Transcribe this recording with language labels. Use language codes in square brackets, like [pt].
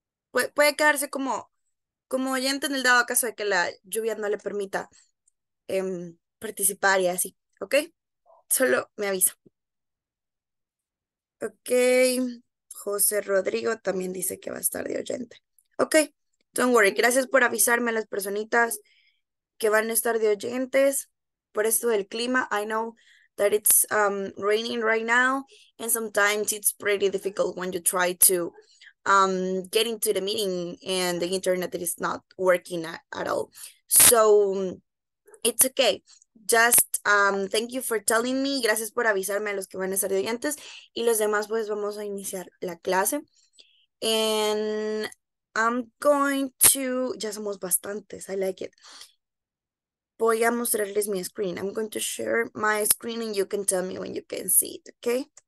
[es] Puede quedarse como oyente en el dado caso de que la lluvia no le permita participar y así. Okay? Solo me avisa. Okay. José Rodrigo también dice que va a estar de oyente. Okay. [en] Don't worry. [es] Gracias por avisarme las personitas que van a estar de oyentes. Por esto del clima, [en] I know that it's raining right now, and sometimes it's pretty difficult when you try to get into the meeting and the internet is not working at all. So it's okay. Just thank you for telling me. [es] Gracias por avisarme a los que van a estar de oyentes. Y los demás, pues vamos a iniciar la clase. [en] And I'm going to, [es] ya somos bastantes, [en] I like it. [es] Voy a mostrarles mi screen. [en] I'm going to share my screen and you can tell me when you can see it, okay?